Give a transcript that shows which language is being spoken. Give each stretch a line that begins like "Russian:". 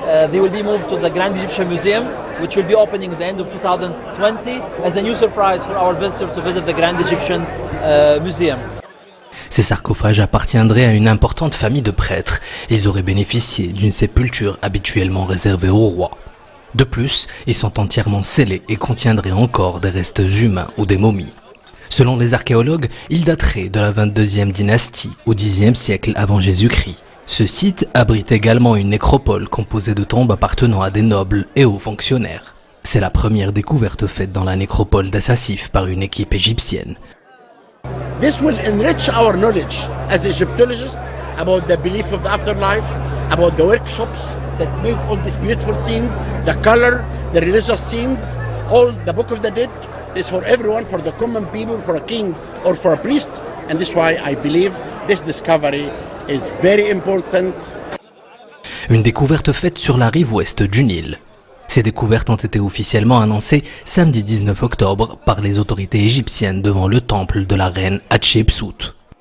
English: They will be moved to the Grand Egyptian Museum, which will be opening at the end of 2020 as a new surprise for our visitors to visit the Grand Egyptian Museum.
French: Ces sarcophages appartiendraient à une importante famille de prêtres. Ils auraient bénéficié d'une sépulture habituellement réservée au roi. De plus, ils sont entièrement scellés et contiendraient encore des restes humains ou des momies. Selon les archéologues, ils dateraient de la 22e dynastie au 10e siècle avant Jésus-Christ. Ce site abrite également une nécropole composée de tombes appartenant à des nobles et hauts fonctionnaires. C'est la première découverte faite dans la nécropole d'Assassif par une équipe égyptienne.
English: This will enrich our knowledge as Egyptologists about the belief of the afterlife, about the workshops that make all these beautiful scenes, the color, the religious scenes, all the Book of the Dead is for everyone, for the common people, for a king or for a priest, and this is why I believe this discovery is very important.
French: Une découverte faite sur la rive ouest du Nil. Ces découvertes ont été officiellement annoncées samedi 19 octobre par les autorités égyptiennes devant le temple de la reine Hatshepsut.